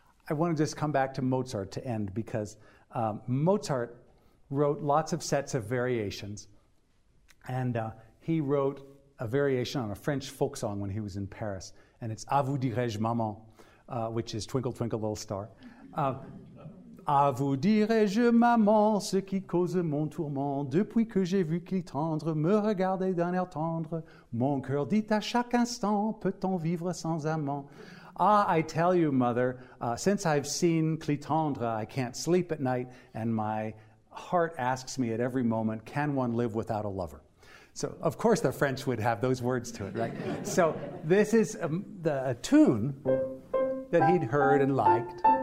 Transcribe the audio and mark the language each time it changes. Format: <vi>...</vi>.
<en>I want to just come back to Mozart to end, because Mozart wrote lots of sets of variations, and he wrote a variation on a French folk song when he was in Paris, and it's</en> <fr>A vous dirai-je, maman,</fr> <en>which is Twinkle, Twinkle, Little Star.</en> <fr>À vous dirai-je, maman, ce qui cause mon tourment, depuis que j'ai vu qu'il tendre me regarder d'un air tendre, mon cœur dit à chaque instant, peut-on vivre sans amant?</fr> <en>Ah, I tell you, mother, since I've seen Clitandre, I can't sleep at night, and my heart asks me at every moment, can one live without a lover? So, of course, the French would have those words to it, right? So, this is a tune that he'd heard and liked.</en>